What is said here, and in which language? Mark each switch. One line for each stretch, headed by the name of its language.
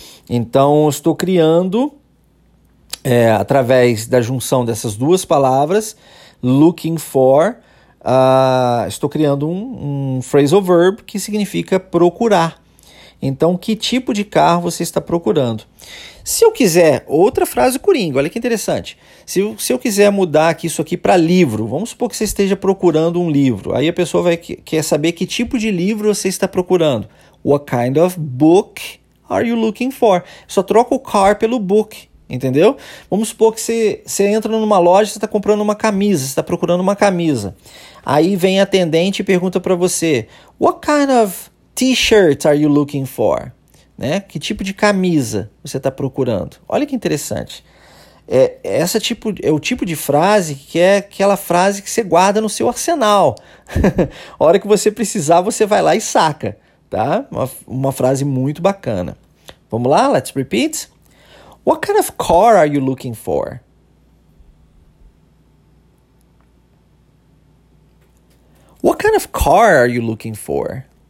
Portuguese: Então, estou criando, através da junção dessas duas palavras,
English: looking for,
Portuguese: estou criando um phrasal verb que significa procurar. Então, que tipo de carro você está procurando? Se eu quiser, outra frase coringa, olha que interessante. Se eu quiser mudar aqui, isso aqui para livro, vamos supor que você esteja procurando um livro. Aí a pessoa quer saber que tipo de livro você está procurando.
English: What kind of book are you looking for?
Portuguese: Só troca o car pelo book, entendeu? Vamos supor que você entra numa loja, você está comprando uma camisa, você está procurando uma camisa. Aí vem a atendente e pergunta para você,
English: what kind of t-shirt are you looking for?
Portuguese: Né? Que tipo de camisa você está procurando? Olha que interessante. É o tipo de frase que é aquela frase que você guarda no seu arsenal. Hora que você precisar, você vai lá e saca, tá? Uma frase muito bacana. Vamos lá,
English: let's repeat. What kind of car are you looking for? What kind of car are you looking for?